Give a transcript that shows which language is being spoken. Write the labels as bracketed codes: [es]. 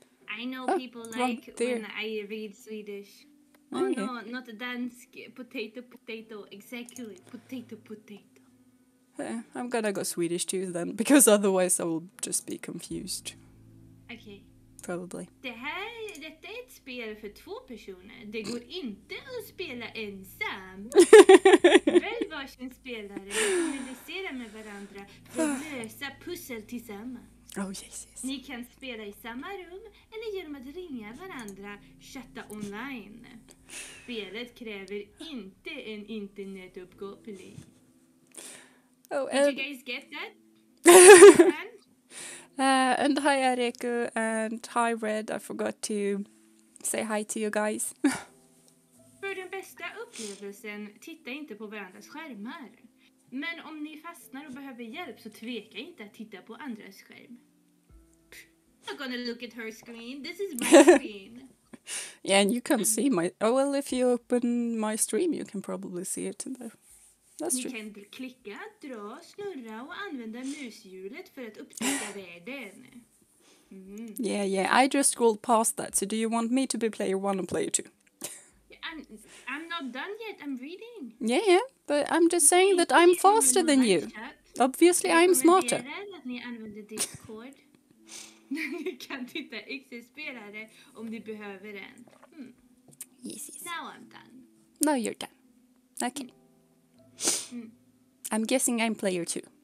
[en] I know people like when I read Swedish. Okay. Oh, no, not dansk. Potato. Exactly. Potato. Yeah, I'm gonna go Swedish too then, because otherwise I will just be confused. Okay. Probably. [sv] Detta är ett spel för två personer. Det går inte att spela ensam. Välj varsin spelare. Kommunicera med varandra. Lösa pussel tillsammans. [en] Oh, Jesus. [sv] Ni kan spela i samma rum eller genom att ringa varandra, chatta online. Spelet kräver inte en internetuppkoppling. [en] Oh, did you guys get that? And hi Eriku and hi Red, I forgot to say hi to you guys. [sv] För den bästa upplevelsen, titta inte på varandras skärmar. Men om ni fastnar och behöver hjälp så tveka inte att titta på andras skärm. [en] I'm not gonna look at her screen, this is my screen. Yeah, and you can see my... Oh well, if you open my stream you can probably see it in there. That's true. [sv] Ni kan klicka, dra, snurra och använda mushjulet för att upptäcka världen. Mm. [en] Yeah, I just scrolled past that, so do you want me to be player one or player two? I'm not done yet, I'm reading. Yeah, but I'm just saying that I'm faster than you. Obviously I'm smarter. [sv] Jag rekommenderar att ni använder Discord. Ni kan titta XS-spelare om ni behöver en. [en] Yes. Now I'm done. No, you're done. Okay. Mm. I'm guessing I'm player two.